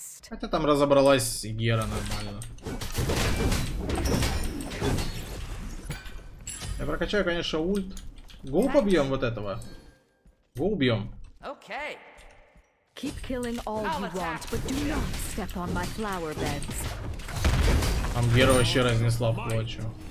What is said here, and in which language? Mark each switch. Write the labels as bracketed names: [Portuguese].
[Russian] Хотя там разобралась Гера нормально. Я прокачаю, конечно, ульт. Гоу побьем вот этого. Гоу убьем. Окей. [English] Keep killing all you want, but do not step on my flower beds. [Russian] Там Гера вообще разнесла в плачу.